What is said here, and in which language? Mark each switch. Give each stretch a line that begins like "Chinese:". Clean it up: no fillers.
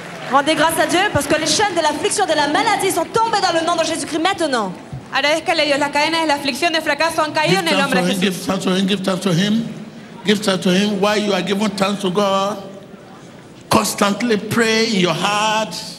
French: Rendez grâce à Dieu parce que les chaînes de l'affliction de la maladie sont tombées dans le nom de Jésus-Christ maintenant.
Spanish: Agradezcale a Dios, las cadenas de la aflicción de fracaso han caído en el nombre de Jesús.
English: Give thanks to Him, give thanks to Him, give thanks to Him. While you are giving thanks to God, constantly pray in your heart.